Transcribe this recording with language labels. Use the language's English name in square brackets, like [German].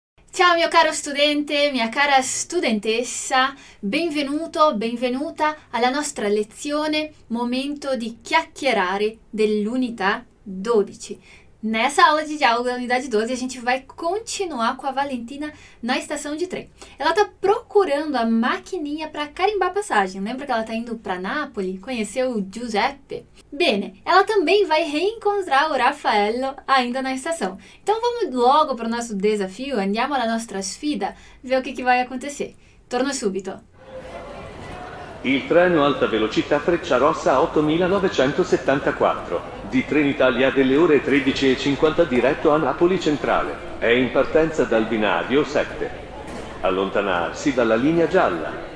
[Italian] Ciao mio caro studente, mia cara studentessa, benvenuto, benvenuta alla nostra lezione Momento di chiacchierare dell'unità 12. [Portuguese] Nessa aula de diálogo da unidade 12, a gente vai continuar com a Valentina na estação de trem. Ela tá procurando a maquininha para carimbar passagem. Lembra que ela tá indo para Nápoles conhecer o Giuseppe? Bene, ela também vai reencontrar o Raffaello ainda na estação. Então vamos logo para o nosso desafio, [Italian] andiamo alla nostra sfida, [Portuguese] ver o que vai acontecer. [Italian] Torno subito. Il treno alta velocità Frecciarossa 8974 di Trenitalia delle ore 13:50 diretto a Napoli Centrale è in partenza dal binario 7. Allontanarsi dalla linea gialla.